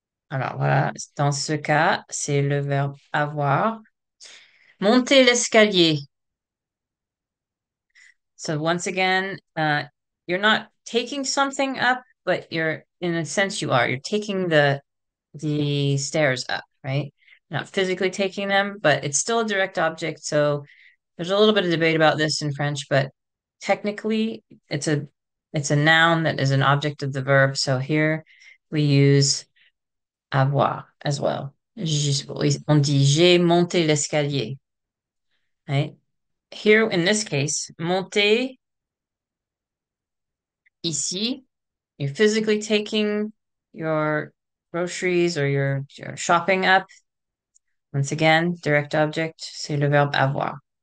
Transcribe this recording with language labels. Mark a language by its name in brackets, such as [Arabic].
[French] Alors voilà, dans ce cas, c'est le verbe avoir. Monter l'escalier. [English] So once again, you're not taking something up, but you're in a sense you are. You're taking the stairs up, right? You're not physically taking them, but it's still a direct object. So there's a little bit of debate about this in French, but technically it's a noun that is an object of the verb. So here we use avoir as well. [French] On dit j'ai monté l'escalier, right? [English] Here in this case, [French] monter ici, [English] you're physically taking your groceries or your shopping up. Once again, direct object, [French] c'est le verbe avoir.